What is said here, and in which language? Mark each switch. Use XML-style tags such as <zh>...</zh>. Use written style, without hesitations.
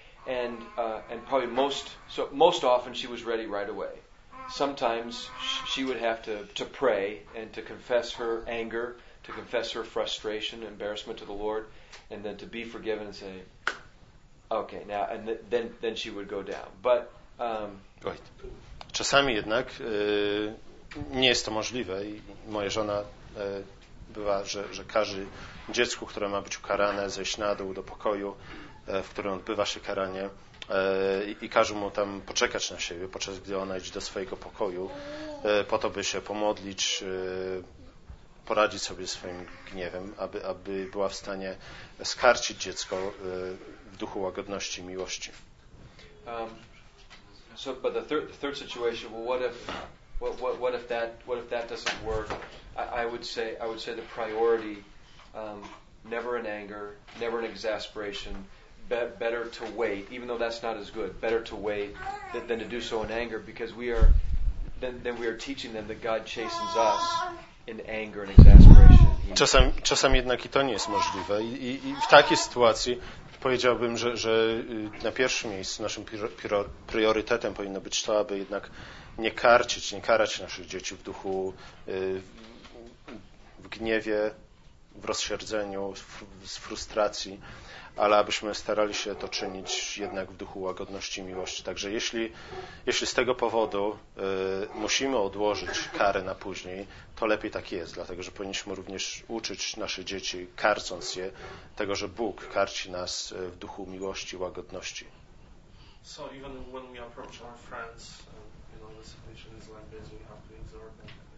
<en>And probably most often she was ready right away. Sometimes she would have to pray and to confess her anger, to confess her frustration, embarrassment to the Lord, and then to be forgiven and say, okay, now, and then she would go down. But right.</en> <pl>Czasami jednak nie jest to możliwe i moja żona bywa, że każe dziecku, które ma być ukarane, zejść na dół do pokoju, w którym odbywa się karanie, i każą mu tam poczekać na siebie, podczas gdy ona idzie do swojego pokoju, po to, by się pomodlić, poradzić sobie swoim gniewem, aby była w stanie skarcić dziecko w duchu łagodności i miłości.</pl> <en>So, but the third situation, well, what if that doesn't work? I would say the priority, never in anger, never in exasperation. Better to wait, even though that's not as good. Better to wait than to do so in anger, because we are teaching them that God chastens us in anger and exasperation.</en> <pl>Czasem jednak i to nie jest możliwe. I w takiej sytuacji powiedziałbym, że na pierwszym miejscu naszym priorytetem powinno być to, aby jednak nie karać naszych dzieci w duchu w gniewie, w rozsierdzeniu, w frustracji, ale abyśmy starali się to czynić jednak w duchu łagodności i miłości. Także jeśli z tego powodu musimy odłożyć karę na później, to lepiej tak jest, dlatego że powinniśmy również uczyć nasze dzieci, karcąc je, tego, że Bóg karci nas w duchu miłości i łagodności.</pl> <en>So even when we approach our friends, you know, the situation is like this, we have to exhort them,</en>